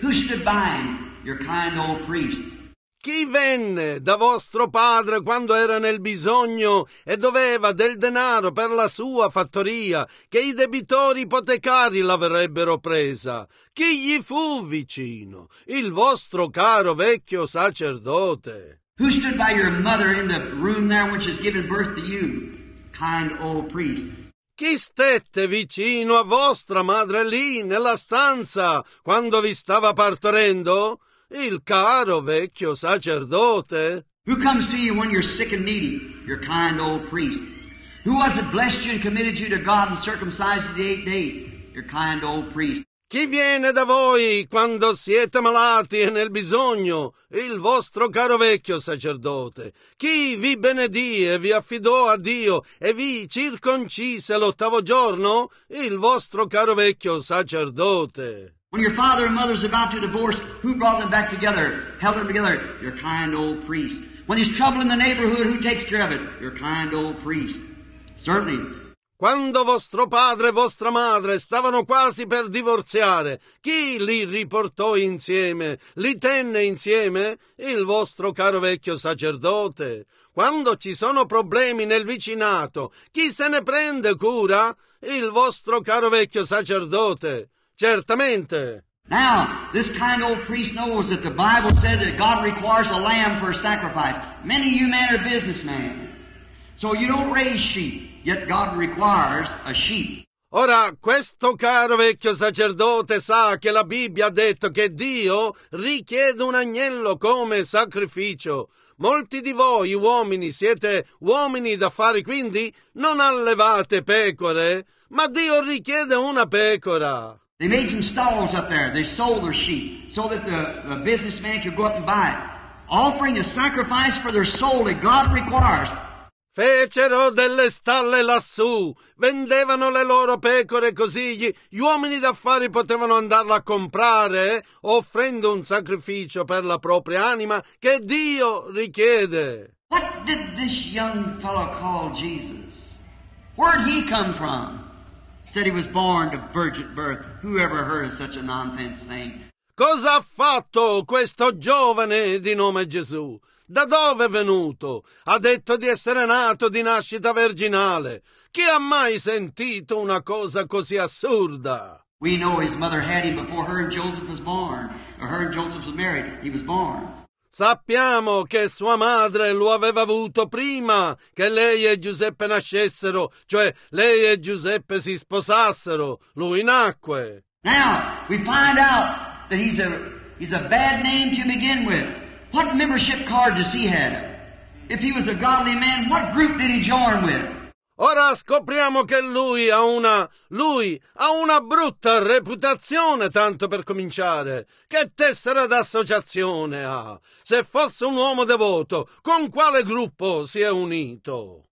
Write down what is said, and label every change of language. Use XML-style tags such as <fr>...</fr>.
<en>Who stood by him? Your kind old priest.</en> <it>Chi venne da vostro padre quando era nel bisogno e doveva del denaro per la sua fattoria, che i debitori ipotecari l'avrebbero presa? Chi gli fu vicino? Il vostro caro vecchio sacerdote.</it> <en>Who stood by your mother in the room there when she's given birth to you, kind old priest?</en> <it>Chi stette vicino a vostra madre lì nella stanza quando vi stava partorendo? Il caro vecchio sacerdote.</it> <en>Who comes to you when you're sick and needy? Your kind old priest. Who was it blessed you and committed you to God and circumcised you the eighth day? Your kind old priest.</en> <it>Chi viene da voi quando siete malati e nel bisogno? Il vostro caro vecchio sacerdote. Chi vi benedì e vi affidò a Dio e vi circoncise l'ottavo giorno? Il vostro caro vecchio sacerdote.</it> <en>When your father and mother's about to divorce, who brought them back together, held them together? Your kind old priest. When there's trouble in the neighborhood, who takes care of it? Your kind old priest. Certainly.</en> <it>Quando vostro padre e vostra madre stavano quasi per divorziare, chi li riportò insieme, li tenne insieme? Il vostro caro vecchio sacerdote. Quando ci sono problemi nel vicinato, chi se ne prende cura? Il vostro caro vecchio sacerdote. Certamente.</it> <en>Now, this kind old priest knows that the Bible said that God requires a lamb for a sacrifice. Many of you men are businessmen. So you don't raise sheep, yet God requires a sheep.</en> <it>Ora, questo caro vecchio sacerdote sa che la Bibbia ha detto che Dio richiede un agnello come sacrificio. Molti di voi uomini siete uomini d'affari, quindi non allevate pecore, ma Dio richiede una pecora.</it> <en>They made some stalls up there. They sold their sheep so that the businessman could go up and buy it. Offering a sacrifice for their soul that God requires.</en> <it>Fecero delle stalle lassù, vendevano le loro pecore così gli uomini d'affari potevano andarla a comprare, offrendo un sacrificio per la propria anima che Dio richiede.</it> <en>What did this young fellow call Jesus? Where did he come from? Said he was born of virgin birth. Who ever heard of such a nonsense saying?</en> <it>Cosa ha fatto questo giovane di nome Gesù? Da dove è venuto? Ha detto di essere nato di nascita virginale. Chi ha mai sentito una cosa così assurda?</it> <en>We know his mother had him before her and Joseph was born. Or her and Joseph was married. He was born.</en> <it>Sappiamo che sua madre lo aveva avuto prima che lei e Giuseppe nascessero, cioè lei e Giuseppe si sposassero. Lui nacque.</it> <en>Now we find out that he's a bad name to begin with. What membership card does he have? If he was a godly man, what group did he join with?</en> <it>Ora scopriamo che lui ha una brutta reputazione, tanto per cominciare. Che tessera d'associazione ha? Se fosse un uomo devoto, con quale gruppo si è unito?</it>